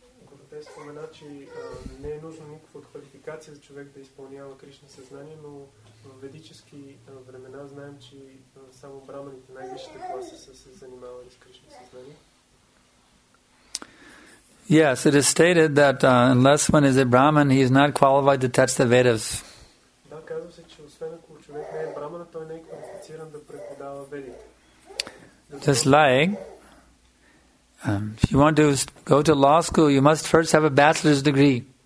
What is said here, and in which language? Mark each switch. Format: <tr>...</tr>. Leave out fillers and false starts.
<bg>Гуртеска мена, че не е нужно никаква квалификация за човек да изпълнява Кришна съзнание, но в ведически времена знаем, че само браманите, най-висшите класи са се занимавали с Кришна съзнание.</bg> <en>Yes, it is stated that unless one is a Brahman, he is not qualified to touch the Vedas.</en> <bg>Да, казва се, че освен ако човек не е Брамана, той не е квалифициран да преподава Ведите.</bg> <en>Just like if you want to go to law school, you must first have a bachelor's degree.</en>